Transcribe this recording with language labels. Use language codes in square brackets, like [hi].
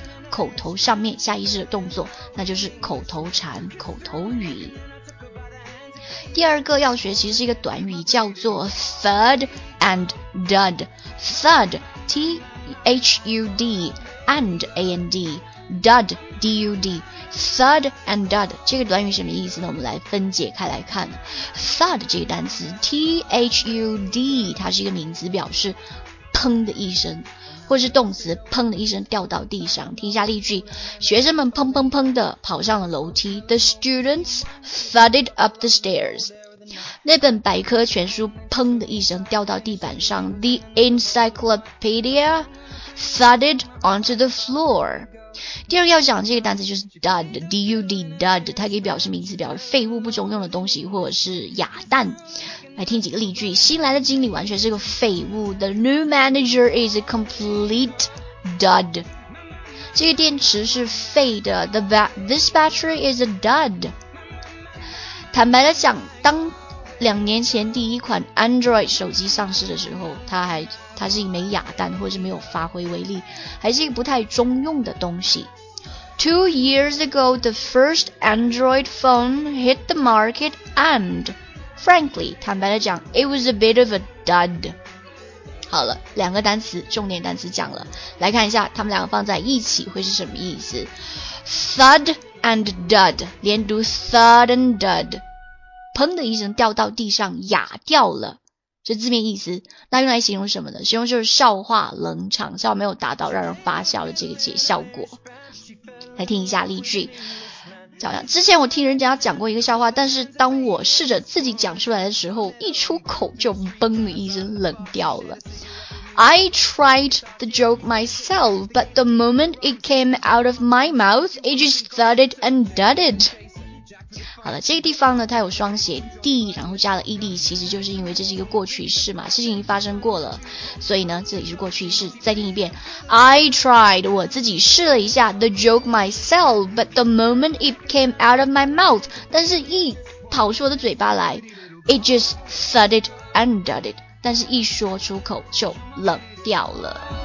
[zh] 口头上面下意识的动作，那就是口头禅、口头语。第二个要学习是一个短语，叫做 thud and dud。 thud t h u d and a n d dud d u d thud and dud 这个短语什么意思呢？我们来分解开来看。 thud 这个单词 t h u d 它是一个名词，表示砰的一声。或是动词砰的一声掉到地上。听一下例句，学生们砰砰砰的跑上了楼梯。 [en] The students thudded up the stairs. [zh] 那本百科全书砰的一声掉到地板上。 [en] The encyclopedia thudded onto the floor. [zh] 第二个要讲这个单词就是 dud, 它可以表示名词，表示废物、不中用的东西或者是哑弹。来听几个例句，新来的经理完全是个废物。 [en] The new manager is a complete dud. [zh] 这个电池是废的 [en] This battery is a dud。 [zh] 坦白的讲，当两年前第一款 Android 手机上市的时候，它是一枚哑弹，或是没有发挥威力，还是一个不太中用的东西。 [en] Two years ago, the first Android phone hit the market and, frankly, [zh] 坦白的讲 [en] it was a bit of a dud。 [zh] 好了，两个单词，重点单词讲了，来看一下他们两个放在一起会是什么意思。 Thud and dud， 连读 thud and dud， 砰的一声掉到地上，哑掉了，是字面意思。那用来形容什么呢？形容就是笑话冷场，笑没有达到让人发笑的这个效果。来听一下例句。之前我听人家讲过一个笑话，但是当我试着自己讲出来的时候，一出口就嘣的一声冷掉了。 [en] I tried the joke myself, but the moment it came out of my mouth, it just thudded and dudded. [zh] 好了，这个地方呢，它有双写 d， 然后加了 ed， 其实就是因为这是一个过去式嘛，事情已经发生过了，所以呢，这里是过去式。再听一遍 ， [en] I tried， [zh] 我自己试了一下 [en] the joke myself， but the moment it came out of my mouth， [zh] 但是一跑出我的嘴巴来 ， [en] it just thudded and dudded， [zh] 但是一说出口就冷掉了。